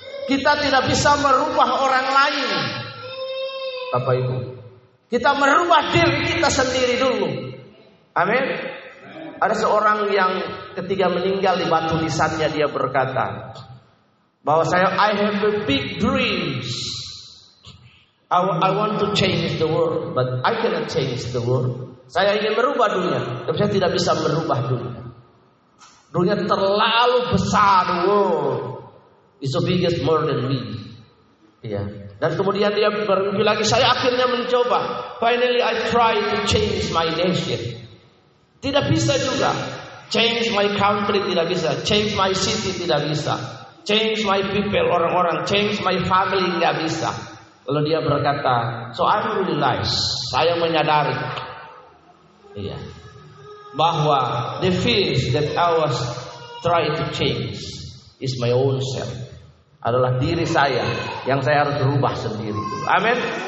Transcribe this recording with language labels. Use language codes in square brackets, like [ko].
[id] Kita tidak bisa merubah orang lain, Bapak Ibu. Kita merubah diri kita sendiri dulu. Amin. Ada seorang yang ketika meninggal di batu nisannya, dia berkata bahwa saya, I have a big dreams. [en] I want to change the world, but I cannot change the world. [id] Saya ingin merubah dunia, tapi saya tidak bisa merubah dunia. [en] Dunia terlalu besar, the world is the biggest more than me. Yeah. [id] Dan kemudian dia berhenti lagi, saya akhirnya mencoba. [en] Finally I try to change my nation. [id] Tidak bisa juga. [en] Change my country tidak bisa. Change my city tidak bisa. Change my people, orang-orang. Change my family tidak bisa. [id] Lalu dia berkata, so I realize, saya menyadari, iya, bahwa the things that I was trying to change is my own self, adalah diri saya yang saya harus berubah sendiri. Amin.